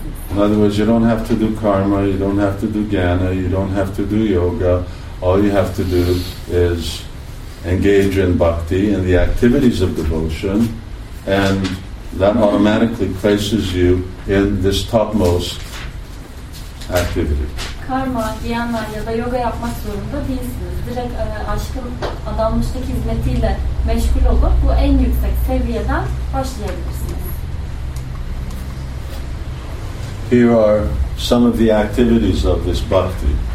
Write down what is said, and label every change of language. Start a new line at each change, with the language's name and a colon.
English: In other words, you don't have to do karma, you don't have to do jnana, you don't have to do yoga. All you have to do is engage in bhakti and the activities of devotion, and that automatically places you in this topmost activity.
Turkish: Karma, dhyana ya da yoga yapmak zorunda değilsiniz. Direkt aşkın adanmışlık hizmetiyle meşgul olup bu en yüksek seviyeden başlayabilirsiniz.
English: Here are some of the activities of this bhakti.